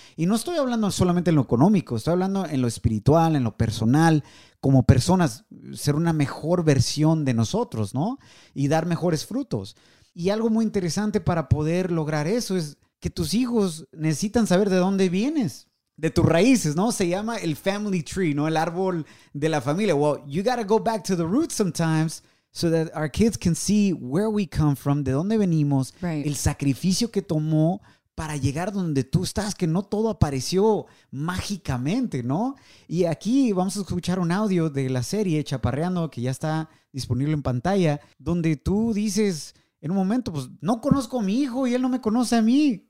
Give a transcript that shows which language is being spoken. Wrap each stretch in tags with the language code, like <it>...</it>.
<es>Y no estoy hablando solamente en lo económico, estoy hablando en lo espiritual, en lo personal, como personas, ser una mejor versión de nosotros, ¿no? Y dar mejores frutos. Y algo muy interesante para poder lograr eso es que tus hijos necesitan saber de dónde vienes, de tus raíces, ¿no? Se llama el family tree, ¿no? El árbol de la familia.</es> <en>Well, you gotta go back to the roots sometimes. So that our kids can see where we come from,</en> <es>de dónde venimos,</es> <en>right.</en> <es>el sacrificio que tomó para llegar donde tú estás, que no todo apareció mágicamente, ¿no? Y aquí vamos a escuchar un audio de la serie Chaparreando, que ya está disponible en pantalla, donde tú dices en un momento, pues no conozco a mi hijo y él no me conoce a mí.</es>